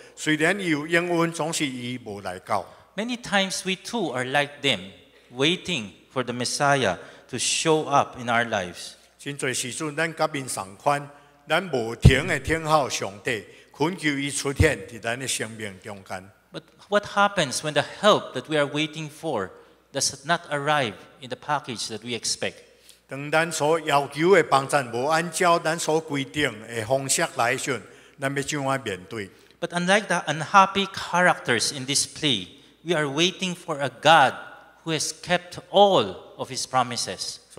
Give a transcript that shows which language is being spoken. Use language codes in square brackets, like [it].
[en] Many times we too are like them, waiting for the Messiah to show up in our lives. [nan] 真多时阵，咱甲因同款，咱无停的听候上帝，恳求伊出现伫咱的生命中间。 [en] But what happens when the help that we are waiting for does not arrive in the package that we expect? [nan] 当咱所要求的帮助无按照咱所规定的方式来时，咱要怎样面对？ [en] But unlike the unhappy characters in this play, we are waiting for a God who has kept all of his promises.